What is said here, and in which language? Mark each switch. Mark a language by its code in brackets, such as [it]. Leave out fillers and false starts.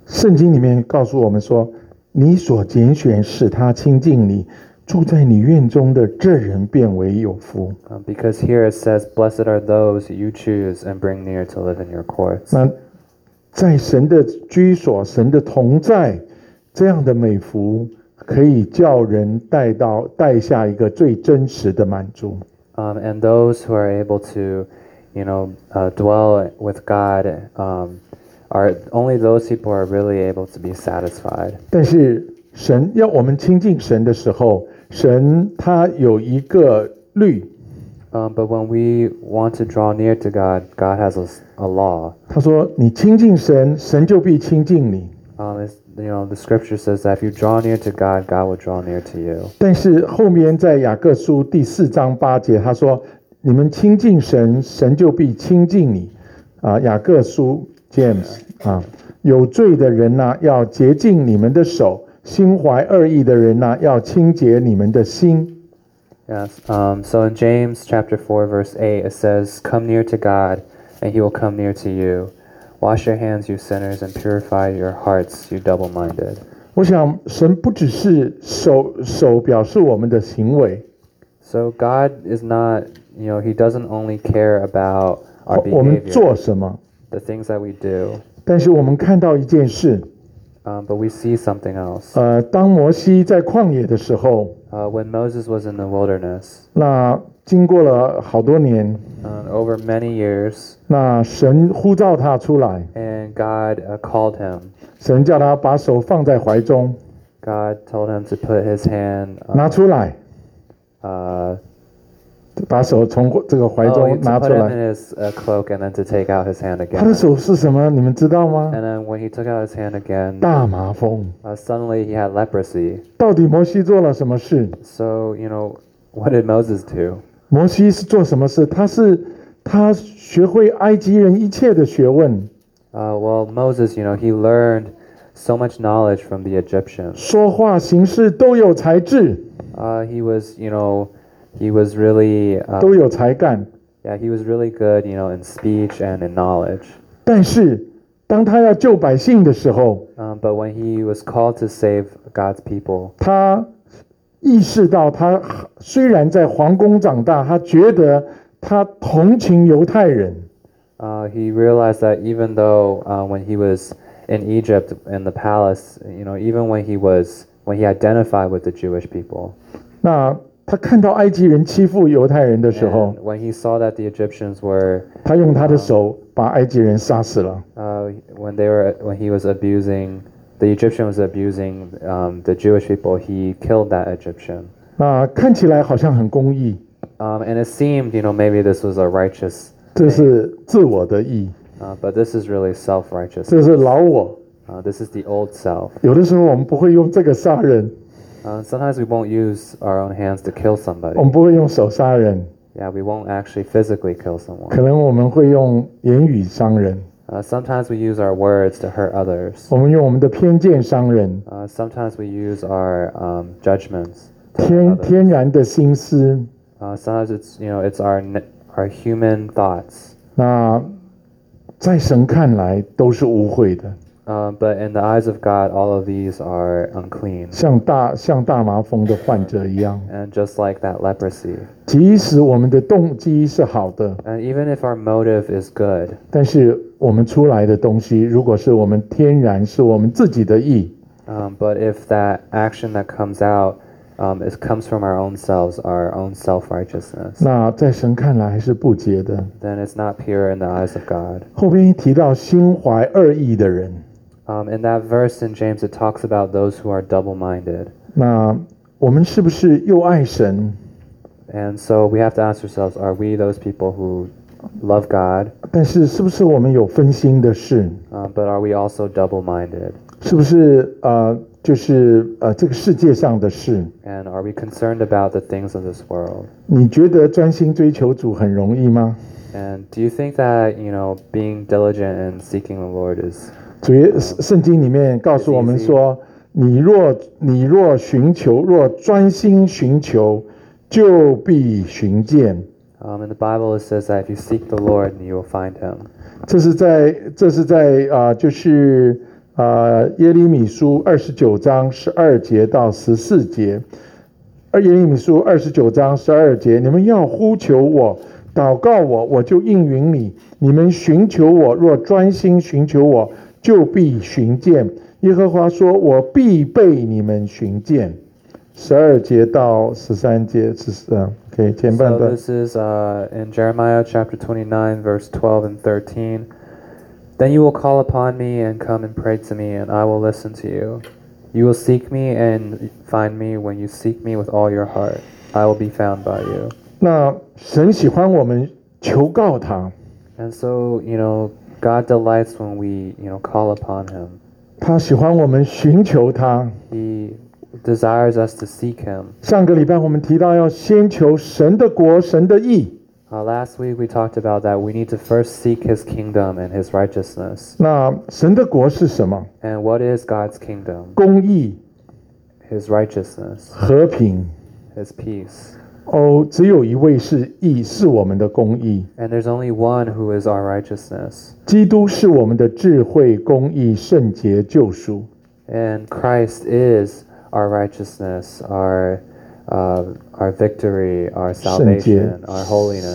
[zh] 圣经里面告诉我们说，你所拣选使他亲近你。住在你院中的这人变为有福。 [en] Because here it says, "Blessed are those you choose and bring near to live in your courts." [zh] 那在神的居所、神的同在，这样的美福可以叫人带下一个最真实的满足。 [en] And those who are able to, you know, dwell with God, are only those people are really able to be satisfied. [zh] 但是神要我们亲近神的时候。神他有一个律 [en] But when we want to draw near to God, God has a law. [zh] 他说你亲近神，神就必亲近你。 [en] You know, the scripture says that if you draw near to God, God will draw near to you. [zh] 但是后面在雅各书第四章八节，他说你们亲近神，神就必亲近你。雅各书 James 有罪的人呐，要洁净你们的手。心怀恶意的人呐，要清洁你们的心。 [en] Yes. So in James chapter 4 verse 8, it says, "Come near to God, and He will come near to you. Wash your hands, you sinners, and purify your hearts, you double-minded." [zh] 我想，神不只是手表示我们的行为。 [en] So God is not, you know, He doesn't only care about our behavior. [zh] 我们做什么 [en] ？The things that we do. [zh] 但是我们看到一件事。 [en] But we see something else. [zh] 当摩西在旷野的时候 [en] ，When Moses was in the wilderness. [zh] 那经过了好多年 [en] ，Over many years. [zh] 那神呼召他出来 [en] ，And God called him. [zh] 神叫他把手放在怀中 [en] God told him to put his hand [zh] 拿出来把手从这个怀中拿出来 [en] to put him in his cloak and then to take out his hand again [zh] 他的手是什么你们知道吗 [en] and then when he took out his hand again [zh] 大麻风 [en] suddenly he had leprosy [zh] 到底摩西做了什么事 [en] so you know what did Moses do [zh] 摩西是做什么事他学会埃及人一切的学问 [en] well Moses you know he learnedSo much knowledge from the Egyptians. [zh] 说话行事都有才智。 [en] He was, you know, he was really. [zh] 都有才干。 [en] Yeah, he was really good, you know, in speech and in knowledge. [zh] 但是，当他要救百姓的时候。 [en] But when he was called to save God's people. [zh] 他意识到他虽然在皇宫长大，他觉得他同情犹太人。 [en] He realized that even though, when he was. In Egypt, in the palace, you know, even when he was, when he identified with the Jewish people. [zh] 那他看到埃及人欺负犹太人的时候 [en] and when he saw that the Egyptians were, [zh] 他用他的手把埃及人杀死了 [en] when he was abusing, the Egyptian was abusing, the Jewish people, he killed that Egyptian. [zh] 那看起来好像很公义 [en] and it seemed, you know, maybe this was a righteous thing. [zh] 这是自我的义 [en] But this is really self-righteous. [zh] 这是老我。 [en] This is the old self. [zh] 有的时候我们不会用这个杀人。 [en] Sometimes we won't use our own hands to kill somebody. [zh] 我们不会用手杀人。 [en] Yeah, we won't actually physically kill someone. [zh] 可能我们会用言语伤人。 [en] Sometimes we use our words to hurt others. [zh] 我们用我们的偏见伤人。 [en] Sometimes we use our judgments. [zh] 天然的心思。 [en] Sometimes it's, you know, it's our human thoughts. [zh] 那在神看来都是污秽的。 [en] But in the eyes of God, all of these are unclean. [zh] 像大麻风的患者一样。 [en] And just like that leprosy. [zh] 即使我们的动机是好的。 [en] And even if our motive is good. [zh] 但是我们出来的东西，如果是我们天然是我们自己的意。 [en] But if that action that comes out, it comes from our own selves, our own self-righteousness. [zh] 那在神看来还是不洁的。 [en] Then it's not pure in the eyes of God. [zh] 后边提到心怀恶意的人。 [en] In that verse in James, it talks about those who are double-minded. [zh] 那我们是不是又爱神 [en] ？And so we have to ask ourselves: Are we those people who love God? [zh] 但是是不是我们有分心的事 [en] ？But are we also double-minded? [zh] 是不是就是这个世界上的事 [en] And are we concerned about the things of this world? [zh] 你觉得专心追求主很容易吗 [en] And do you think that, you know, being diligent and seeking the Lord is [zh] 圣经里面告诉我们说你若寻求若专心寻求就必寻见 [en] In the Bible it says that if you seek the Lord, you will find him [zh] 这是在就是耶利米书二十九章十二节到十四节，耶利米书二十九章十二节，你们要呼求我，祷告我，我就应允你。你们寻求我，若专心寻求我，就必寻见。耶和华说，我必被你们寻见。十二节到十三节，OK， 前半段。 [en] So this is in Jeremiah chapter 29, verse 12 and 13. Then you will call upon me and come and pray to me, and I will listen to you. You will seek me and find me when you seek me with all your heart. I will be found by you. [zh] 那神喜欢我们求告他。 [en] And so, you know, God delights when we, you know, call upon him. [zh] 他喜欢我们寻求他。 [en] He desires us to seek him. [zh] 上个礼拜我们提到要先求神的国，神的义。 [en] Last week we talked about that we need to first seek his kingdom and his righteousness. [zh] 那神的国是什么 [en] And what is God's kingdom? [zh] 公义 [en] His righteousness. [zh] 和平 [en] His peace. [zh] 只有一位是义是我们的公义 [en] And there's only one who is our righteousness. [zh] 基督是我们的智慧公义圣洁救赎 [en] And Christ is our righteousness, our victory, our salvation, our holiness.